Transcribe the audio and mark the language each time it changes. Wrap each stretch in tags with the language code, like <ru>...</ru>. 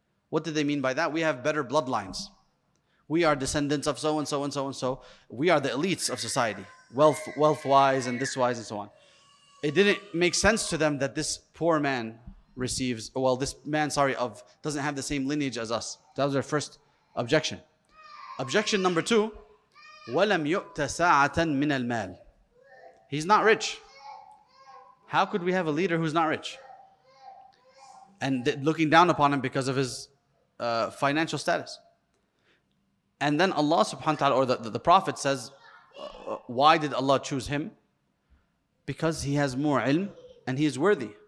<en>What did they mean by that? We have better bloodlines. We are descendants of so and so and so and so. We are the elites of society, wealth-wise and this-wise and so on. It didn't make sense to them that this poor man doesn't have the same lineage as us. That was their first objection. Objection number two,</en> <ar>وَلَمْ يُؤْتَ سَاعَةً مِنَ الْمَالِ.</ar> <en>He's not rich. How could we have a leader who's not rich? And looking down upon him because of his financial status. And then Allah subhanahu wa ta'ala, or the prophet says, why did Allah choose him? Because he has more ilm and he is worthy.</en>